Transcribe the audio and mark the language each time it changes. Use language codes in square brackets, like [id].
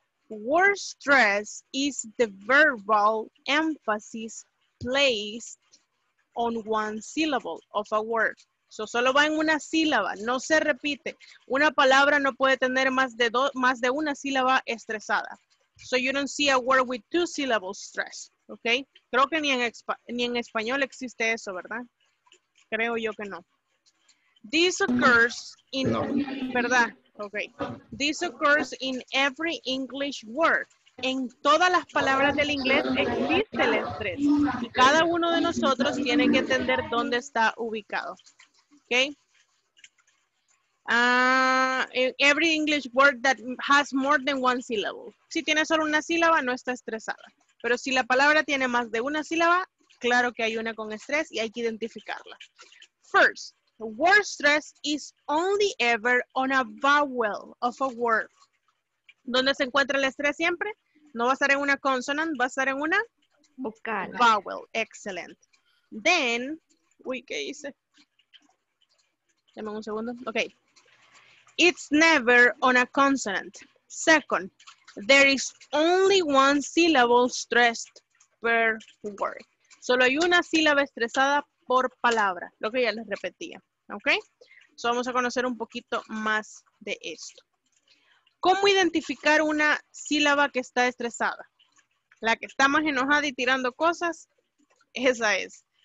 [en] Word stress is the verbal emphasis placed on one syllable of a word. [es] So solo va en una sílaba, no se repite. Una palabra no puede tener más de una sílaba estresada. [en] So you don't see a word with two syllables stress, okay? [es] Creo que ni en español existe eso, ¿verdad? Creo yo que no. [en] This occurs in, [es] no. [en] ¿Verdad? Okay. This occurs in every English word. [es] En todas las palabras del inglés existe el estrés. Y cada uno de nosotros tiene que entender dónde está ubicado. [en] Okay. Every English word that has more than one syllable. [es] Si tiene solo una sílaba, no está estresada. Pero si la palabra tiene más de una sílaba, claro que hay una con estrés y hay que identificarla. [en] First. Word stress is only ever on a vowel of a word. [es] ¿Dónde se encuentra el estrés siempre? No va a estar en una consonant, va a estar en una vocal. [en] Vowel, excellent. Then, [es] uy, ¿qué hice? Dame un segundo. Okay. [en] It's never on a consonant. Second, there is only one syllable stressed per word. [es] Solo hay una sílaba estresada por palabra, lo que ya les repetía. ¿Ok? So vamos a conocer un poquito más de esto. ¿Cómo identificar una sílaba que está estresada? La que está más enojada y tirando cosas, esa es.